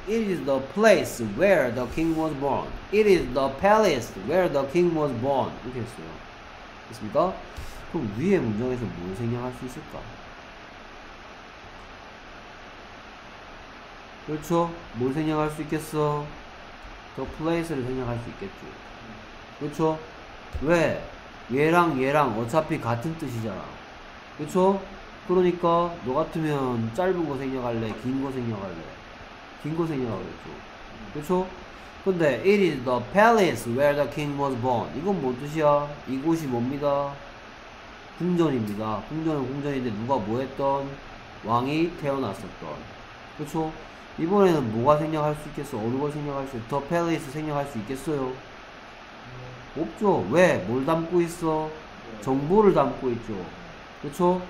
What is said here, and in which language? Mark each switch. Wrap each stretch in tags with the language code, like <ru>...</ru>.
<en>It is the place where the king was born. It is the palace where the king was born.</en> <ko>이렇게 했어요. 됐습니까? 그럼 위에 문장에서 뭘 생략할 수 있을까? 그렇죠? 뭘 생략할 수 있겠어? The place를 생략할 수 있겠죠. 그렇죠? 왜? 얘랑 어차피 같은 뜻이잖아. 그렇죠? 그러니까 너 같으면 짧은 거 생략할래? 긴거 생략할래? 긴거 생략하겠죠. 그렇죠? 근데</ko> <en>It is the palace where the king was born.</en> <ko>이건 뭔 뜻이야? 이곳이 뭡니까? 궁전입니다. 궁전은 궁전인데 누가 뭐 했던? 왕이 태어났었던. 그렇죠? 이번에는 뭐가 생략할 수 있겠어? 어느 걸 생략할 수 있어? The palace 생략할 수 있겠어요? 없죠. 왜? 뭘 담고 있어? 정보를 담고 있죠. 그렇죠?</ko>